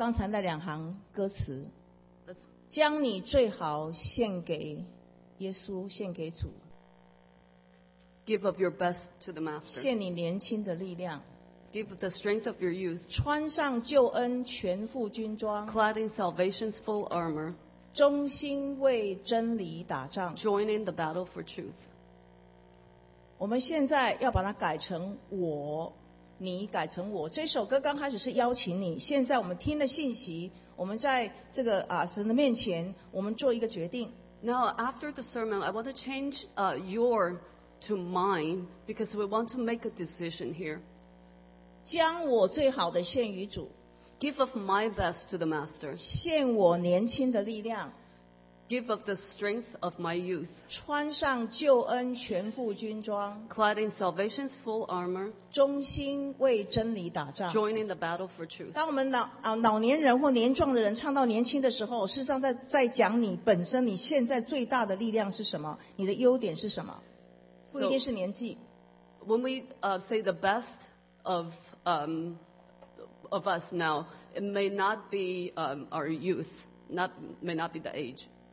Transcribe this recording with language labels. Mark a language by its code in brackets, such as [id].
[zh] 好,我们回到刚才那两行歌词。将你最好献给耶稣，献给主。 [en] Give of your best to the master. [zh] 献你年轻的力量。 [en] Give the strength of your youth. [zh] 穿上救恩全副军装。 [en] Clad in salvation's full armor. [zh] 忠心为真理打仗。 [en] Join in the battle for truth. [zh] 我们现在要把它改成我，你改成我。这首歌刚开始是邀请你，现在我们听的信息。我们在这个神的面前，我们做一个决定。 [en] Now after the sermon, I want to change your to mine because we want to make a decision here. [zh] 将我最好的献于主。 [en] Give of my best to the master. [zh] 献我年轻的力量。 [en] Give of the strength of my youth. [zh] 穿上救恩全副军装。 [en] Clad in salvation's full armor. [zh] 忠心为真理打仗。 [en] Join in the battle for truth. [zh] 当我们老年人或年壮的人唱到年轻的时候，事实上在讲你本身，你现在最大的力量是什么？你的优点是什么？不一定是年纪。 [en] So, when we say the best of us now, it may not be our youth, may not be the age.